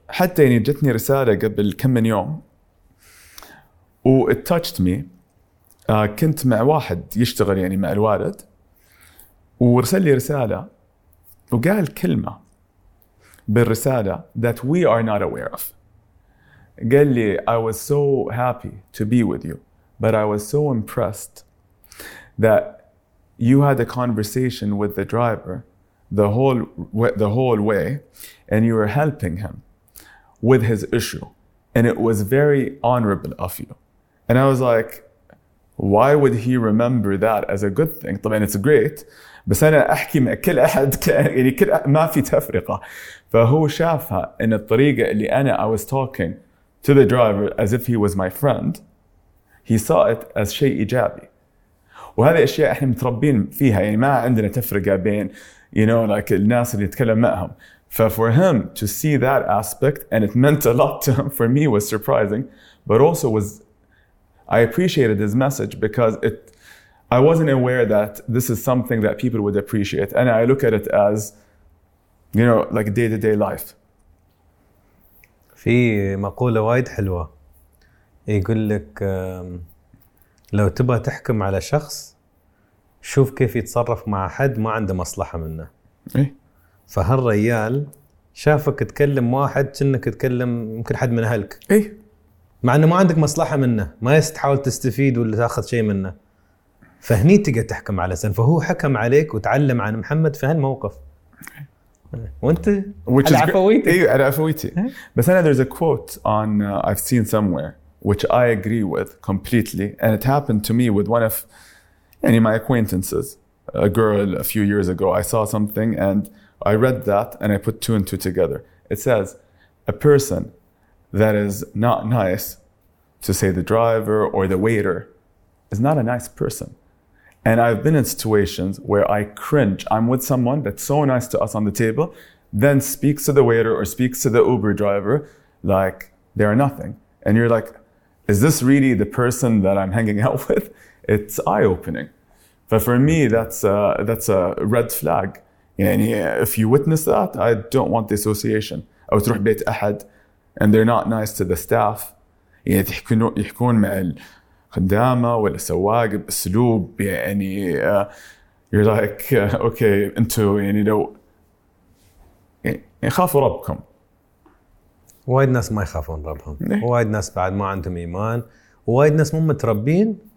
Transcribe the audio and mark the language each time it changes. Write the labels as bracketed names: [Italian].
[Arabic] حتى يعني جتني رسالة قبل كم من يوم و [English] it touched me. [Arabic] كنت مع واحد يشتغل يعني مع الوالد ورسل لي رسالة وقال كلمة بالرسالة [English] that we are not aware of. [Arabic] قال لي [English] I was so happy to be with you but I was so impressed that you had a conversation with the driver the whole way and you were helping him with his issue and it was very honorable of you. And I was like, why would he remember that as a good thing? [Arabic] طبعا [English] it's great, [Arabic] بس أنا أحكي مع كل أحد يعني كل ما في تفرقة. فهو شافها إن الطريقة اللي أنا [English] I was talking to the driver as if he was my friend, he saw it as [Arabic] شيء إيجابي. وهذه أشياء إحنا متربين فيها, يعني ما عندنا تفرقة بين [English] you know like [Arabic] الناس اللي يتكلم معهم. [English] ففور him to see that aspect and it meant a lot to him for me was surprising, but also was I appreciated his message because it I wasn't aware that this is something that people would appreciate and I look at it as you know like day to day life. [Arabic] في مقولة وايد حلوة يقول لك لو تبغى تحكم على شخص شوف كيف يتصرف مع حد ما عنده مصلحة منه. إيه؟ فهالريال شافك تكلم واحد كأنك تكلم يمكن حد من أهلك. إيه؟ مع أنه ما عندك مصلحة منه, ما يستحاول تستفيد ولا تأخذ شيء منه, فهني تقدر تحكم على سن. فهو حكم عليك وتعلم عن محمد في هالموقف وانت على عفويتك. ايه على عفويتي. بس أنا [English] there's a quote on I've seen somewhere which I agree with completely and it happened to me with one of any my acquaintances, a girl a few years ago. I saw something and I read that and I put two and two together. It says a person that is not nice to say the driver or the waiter is not a nice person. And I've been in situations where I cringe. I'm with someone that's so nice to us on the table, then speaks to the waiter or speaks to the Uber driver like they are nothing. And you're like, is this really the person that I'm hanging out with? It's eye-opening. But for me, that's a red flag. يعني if you witness that, I don't want the association. [Arabic] أو تروح بيت أحد [English] and they're not nice to the staff. [Arabic] يعني يحكون مع الخدامة ولا سواق بأسلوب يعني [English] you're like okay [Arabic] انتو يعني لو يخافوا ربكم. وايد ناس ما يخافون ربهم. وايد ناس بعد ما عندهم إيمان. وايد ناس مو متربين.